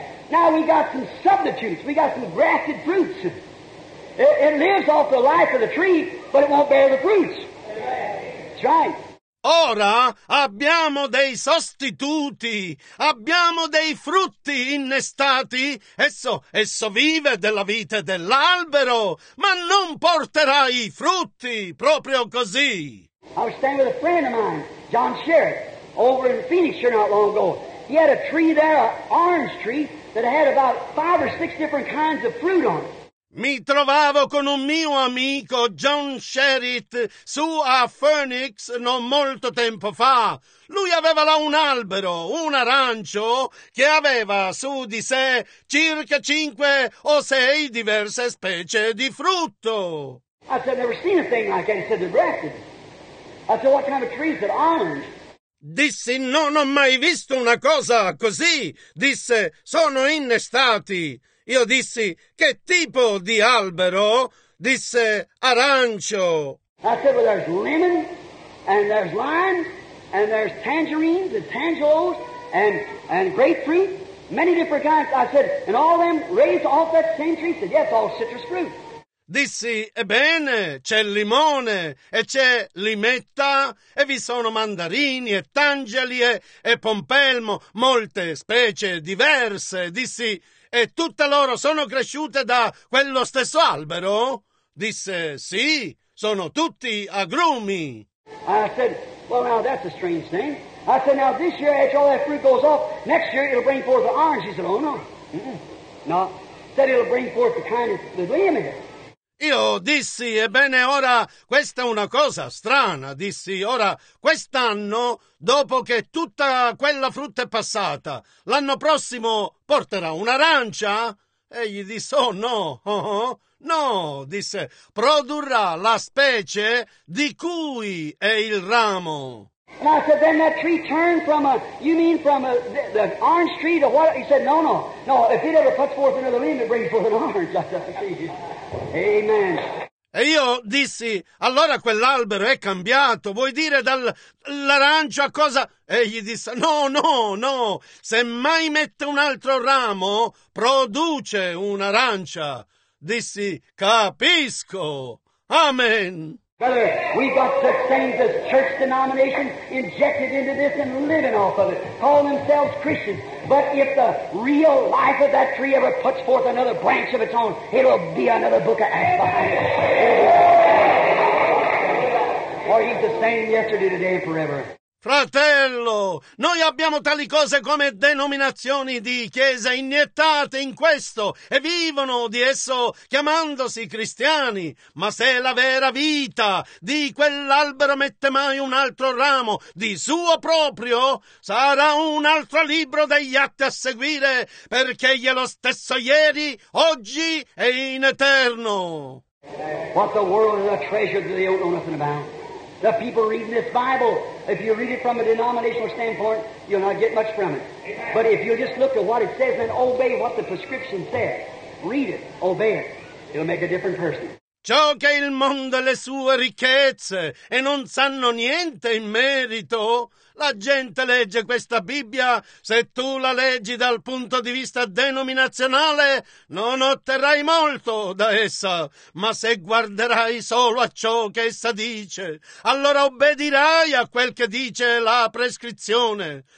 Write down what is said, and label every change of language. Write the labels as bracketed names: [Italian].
[English] Now we got some substitutes. We got some grafted fruits. It lives off the life of the tree, but it won't bear the fruits. That's right. [Italian] Ora abbiamo dei sostituti, abbiamo dei frutti innestati. Esso vive della vite dell'albero, ma non porterà i frutti proprio così. [English] I was staying with a friend of mine, John Sherrick, over in Phoenix here not long ago. He had a tree there, an orange tree, that had about five or six different kinds of fruit on it. [Italian] Mi trovavo con un mio amico, John Sherritt, su a Phoenix non molto tempo fa. Lui aveva là un albero, un arancio, che aveva su di sé circa cinque o sei diverse specie di frutto. [English] I said, I've never seen a thing like that. He said, they're grafted. I said, what kind of tree is it? Orange. [Italian] Dissi, non ho mai visto una cosa così. Disse, sono innestati. Io dissi, che tipo di albero? Disse, arancio. [English] I said, well, there's lemon, and there's lime, and there's tangerines, and tangelos, and grapefruit, many different kinds. I said, and all them raised off that same tree? He said, yes, all citrus fruit. [Italian] Dissi, ebbene, c'è limone, e c'è limetta, e vi sono mandarini, e tangeli, e pompelmo, molte specie diverse. Dissi, e tutte loro sono cresciute da quello stesso albero? Disse, sì, sono tutti agrumi. [English] I said, well, now that's a strange thing. I said, now this year, after all that fruit goes off, next year it'll bring forth the orange. He said, oh, no. Mm-mm. No. Said it'll bring forth the kind of the lemon. [Italian] Io dissi, ebbene ora, questa è una cosa strana, dissi, ora, quest'anno, dopo che tutta quella frutta è passata, l'anno prossimo porterà un'arancia? E gli disse, oh no, oh, no, disse, produrrà la specie di cui è il ramo. [English] And I said, then that tree turned from a, you mean from a, the orange tree to what? He said, no, if it ever puts forth another limb, it brings forth an orange. Amen. [Italian] E io dissi, allora quell'albero è cambiato, vuoi dire dall'arancio a cosa? E gli disse, no, se mai mette un altro ramo, produce un'arancia. Dissi, capisco. Amen. [English] Brother, we've got such things as church denominations injected into this and living off of it, calling themselves Christians. But if the real life of that tree ever puts forth another branch of its own, it'll be another book of Acts behind it. For he's the same yesterday, today, and forever. [Italian] Fratello, noi abbiamo tali cose come denominazioni di chiesa iniettate in questo e vivono di esso chiamandosi cristiani, ma se la vera vita di quell'albero mette mai un altro ramo di suo proprio, sarà un altro libro degli atti a seguire, perché egli è lo stesso ieri, oggi e in eterno. [English] What the world is a treasure that they don't know nothing about. The people reading this Bible, if you read it from a denominational standpoint, you'll not get much from it. But if you just look at what it says and obey what the prescription says, read it, obey it, it'll make a different person. [Italian] ciò che il mondo e le sue ricchezze e non sanno niente in merito. La gente legge questa Bibbia, se tu la leggi dal punto di vista denominazionale, non otterrai molto da essa, ma se guarderai solo a ciò che essa dice, allora obbedirai a quel che dice la prescrizione.